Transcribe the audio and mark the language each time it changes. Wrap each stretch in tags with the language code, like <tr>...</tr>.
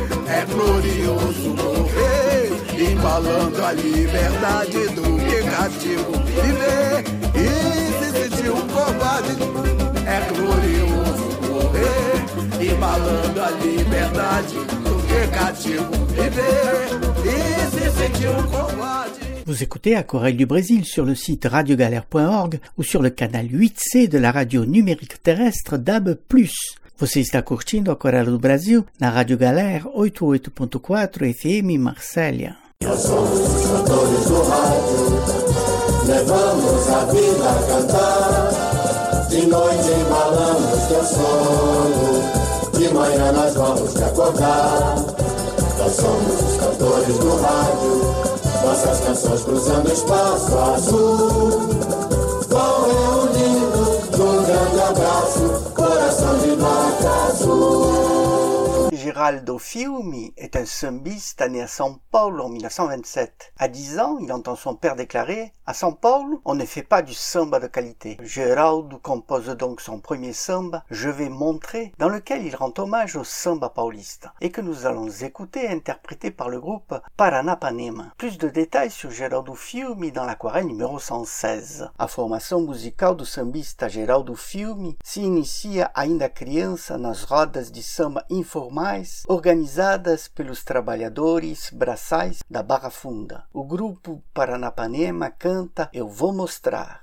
<pt>É glorioso morrer embalando a liberdade do que é cativo viver e se sentir um covarde. É glorioso morrer embalando a liberdade do que é cativo viver e se sentir um covarde.</pt> <fr>Vous écoutez Aquarelle du Brésil sur le site radiogalère.org ou sur le canal 8C de la radio numérique terrestre DAB+.</fr> <pt>Você está curtindo Aquarelle do Brasil na Radio Galère 88.4 FM Marselha. Nós somos os cantores do rádio, levamos a vida a cantar. De noite embalamos teu sono, de manhã nós vamos te acordar. Nós somos os cantores do rádio, nossas canções cruzando espaço azul, vão reunindo num grande abraço, coração de vaca azul.</pt> <fr>Geraldo Fiumi est un sambiste né à São Paulo en 1927. À 10 ans, il entend son père déclarer « À São Paulo, on ne fait pas du samba de qualité ». Geraldo compose donc son premier samba « Je vais montrer » dans lequel il rend hommage au samba paulista et que nous allons écouter interprété par le groupe Paranapanema. Plus de détails sur Geraldo Fiumi dans l'aquarelle numéro 116.</fr> <pt>A formação musical do sambista Geraldo Fiumi se inicia ainda criança nas rodas de samba informais organizadas pelos trabalhadores braçais da Barra Funda. O grupo Paranapanema canta Eu Vou Mostrar.</pt>